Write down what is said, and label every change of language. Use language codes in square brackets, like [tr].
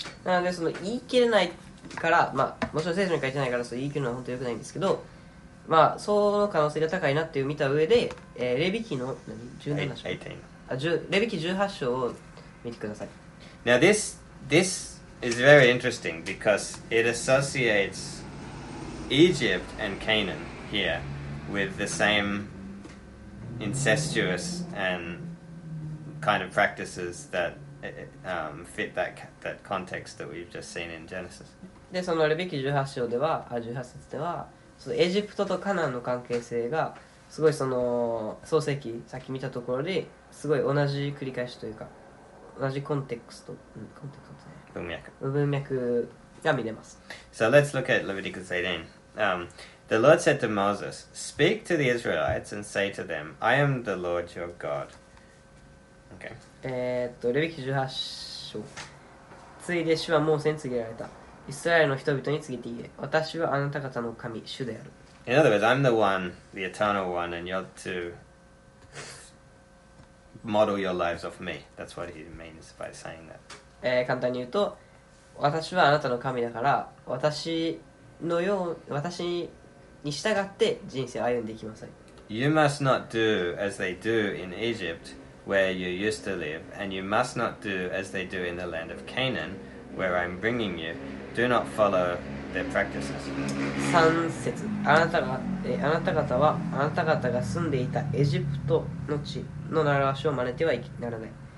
[ja] なのでその言い切れないから、まあもちろん聖書に書いてないからそう言い切るのは本当に良くないんですけど、まあその可能性が高いなっていう見た上で、レビキの何17章、レビキ18章を見てください。 [en] Now this is very interesting because it associates Egypt and Canaan here with the same incestuous and kind of practices thatfit that context that we've just seen in Genesis. [ja] で、そのレビ記18章では、18節では、そのエジプトとカナンの関係性がすごいその創世記さっき見たところですごい同じ繰り返しというか同じコンテクスト、コンテクストですね。文脈が見れます。 [en] So let's look at Leviticus 18. The Lord said to Moses, "Speak to the Israelites and say to them, 'I am the Lord your God.'" Okay. [ja] レビキ18章、ついで主はモーセに告げられた。イスラエルの人々に告げて言え、私はあなた方の神主である。 [en] In other words, I'm the one, the eternal one, and you're to model your lives off me. That's what he means by saying that. [ja] 簡単に言うと、私はあなたの神だから、私のよう、私に従って人生を歩んでいきなさい。 [en] You must not do as they do in EgyptWhere you used to live, and you must not do as they do in the land of Canaan, where I'm bringing you. Do not follow their practices. [ja] 3節、あなた方はあなた方が住んでいたエジプトの地の習わしを真似てはならない。